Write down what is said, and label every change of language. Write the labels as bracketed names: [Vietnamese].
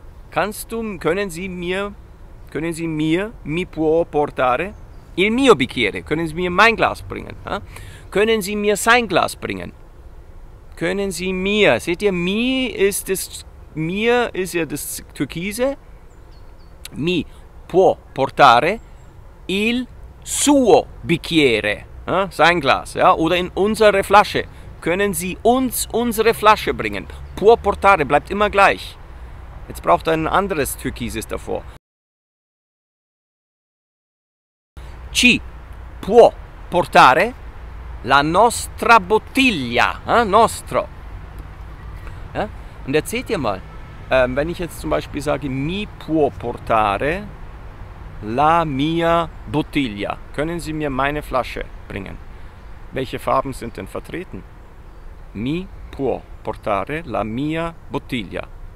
[German] Kannst du, können Sie mir, [Italian] mi può portare il mio bicchiere. [German] Können Sie mir mein Glas bringen? Können Sie mir sein Glas bringen? Können Sie mir, seht ihr, mir ist ja das Türkise. [Italian] Mi può portare il suo bicchiere, [German] ja, sein Glas, ja, oder in unsere Flasche. Können Sie uns unsere Flasche bringen? [Italian] Può portare [German] bleibt immer gleich. Jetzt braucht ein anderes Türkises davor. [Italian] Ci può portare la nostra bottiglia, ja, nostro. [German] Ja, und erzählt ihr mal. Wenn ich jetzt zum Beispiel sage, [Italian] mi può portare la mia bottiglia. [German] Können Sie mir meine Flasche bringen? Welche Farben sind denn vertreten? [Italian] Mi può portare la mia bottiglia.